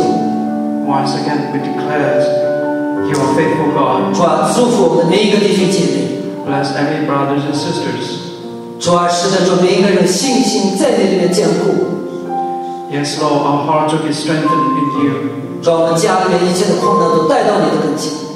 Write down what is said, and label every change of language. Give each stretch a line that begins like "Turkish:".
English: again, we declare you are faithful God.
Chinese: 主啊，祝福我们每一个弟兄姐妹。
English: Bless every brothers and sisters.
Chinese: 主啊，使得主每一个人信心在你里面坚固。
English: Yes, Lord, our hearts will be strengthened in you.
Chinese: 主啊，我们家里面一切的困难都带到你的跟前。